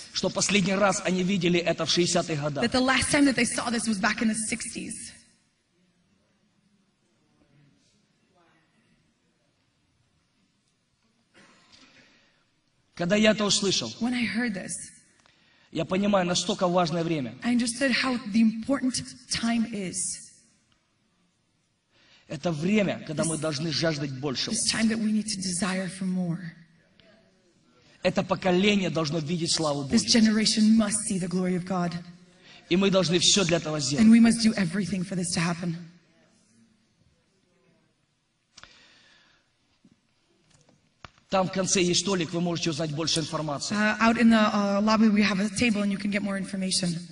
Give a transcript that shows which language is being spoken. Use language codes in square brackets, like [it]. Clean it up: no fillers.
[ru] что последний раз они видели это в 60-х годах. [en] That the last time that they saw this was back in the 60s. [ru] Когда я это услышал, [en] when I heard this, [ru] я понимаю, настолько важное время. [en] I understood how the important time is. [ru] Это время, когда мы должны жаждать большего. [en] This time that we need to desire for more. [ru] Это поколение должно видеть славу Божью. [en] This generation must see the glory of God. [ru] И мы должны все для этого сделать. [en] And we must do everything for this to happen. [ru] Там в конце есть столик, вы можете узнать больше информации. [en] Out in the lobby we have a table and you can get more information.